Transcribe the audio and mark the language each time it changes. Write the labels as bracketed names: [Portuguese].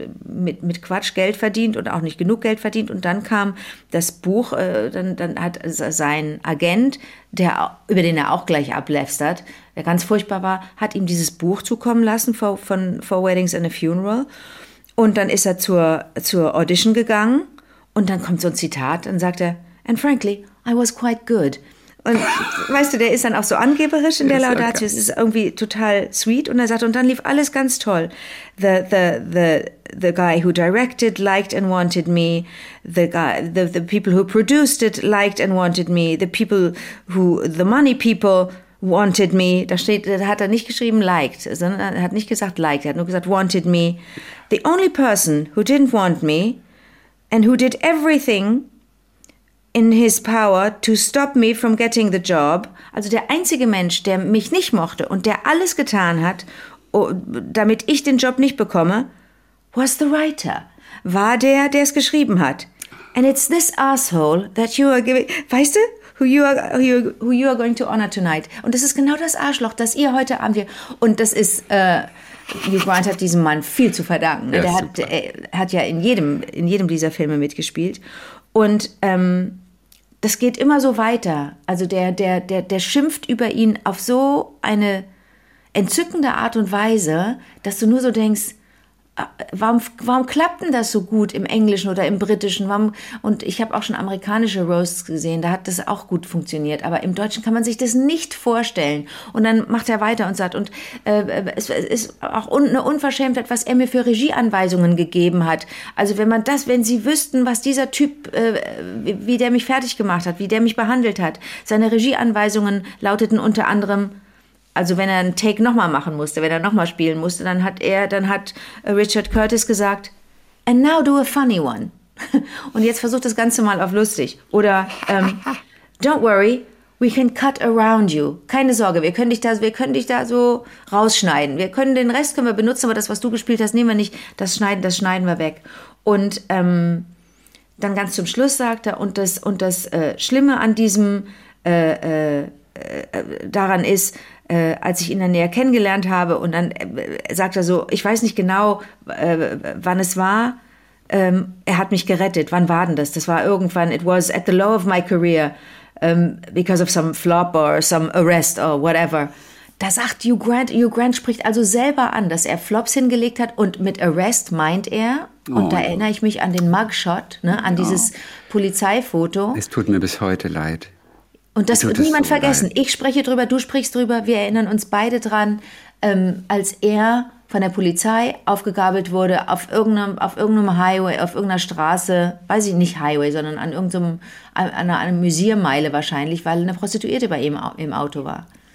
[German] mit Quatsch Geld verdient und auch nicht genug Geld verdient und dann kam das Buch, dann hat sein Agent, der über den er auch gleich ablästert, der ganz furchtbar war, hat ihm dieses Buch zukommen lassen von Weddings and a Funeral und dann ist er zur Audition gegangen und dann kommt so ein Zitat und sagt er, [English] and frankly, I was quite good. [German] Und weißt du, der ist dann auch so angeberisch in der Laudatio. Es ist irgendwie total sweet. Und er sagt, und dann lief alles ganz toll. [English] The guy who directed liked and wanted me. The people who produced it liked and wanted me. The money people wanted me. [German] Da hat er nicht geschrieben liked, sondern er hat nicht gesagt liked. Er hat nur gesagt wanted me. [English] The only person who didn't want me and who did everything in his power to stop me from getting the job. [German] Also der einzige Mensch, der mich nicht mochte und der alles getan hat, damit ich den Job nicht bekomme, [English] was the writer. [German] War der, der es geschrieben hat. [English] And it's this asshole that you are giving, [German] weißt du, [English] who you are going to honor tonight. [German] Und das ist genau das Arschloch, das ihr heute Abend hier, und das ist, Hugh Grant hat diesem Mann viel zu verdanken. Ja, der hat ja in jedem dieser Filme mitgespielt. Und das geht immer so weiter. Also der schimpft über ihn auf so eine entzückende Art und Weise, dass du nur so denkst, warum klappt denn das so gut im Englischen oder im Britischen? Warum? Und ich habe auch schon amerikanische Roasts gesehen, da hat das auch gut funktioniert. Aber im Deutschen kann man sich das nicht vorstellen. Und dann macht er weiter und sagt, und es ist auch eine Unverschämtheit, was er mir für Regieanweisungen gegeben hat. Also wenn Sie wüssten, was dieser Typ, wie der mich fertig gemacht hat, wie der mich behandelt hat. Seine Regieanweisungen lauteten unter anderem, also wenn er einen Take nochmal machen musste, wenn er nochmal spielen musste, dann hat Richard Curtis gesagt, [English] and now do a funny one. [German] Und jetzt versuch das Ganze mal auf lustig. [English] Oder, don't worry, we can cut around you. [German] Keine Sorge, wir können dich da so rausschneiden. Wir können den Rest können wir benutzen, aber das, was du gespielt hast, nehmen wir nicht. Das schneiden wir weg. Und dann ganz zum Schluss sagt er, und das Schlimme an diesem daran ist, als ich ihn dann näher kennengelernt habe und dann sagt er so, ich weiß nicht genau, wann es war, er hat mich gerettet. Wann war denn das? Das war irgendwann, [English] it was at the low of my career, because of some flop or some arrest or whatever. [German] Da sagt Hugh Grant spricht also selber an, dass er Flops hingelegt hat und mit arrest meint er, und da erinnere ich mich an den Mugshot, ne, an dieses Polizeifoto. Es tut mir bis heute leid. Und das wird niemand vergessen. Ich spreche drüber, du sprichst drüber. Wir erinnern uns beide dran, als er von der Polizei aufgegabelt wurde auf irgendeinem Highway, auf irgendeiner Straße, weiß ich nicht Highway, sondern an irgendeinem an einer Museummeile wahrscheinlich, weil eine Prostituierte bei ihm im Auto war.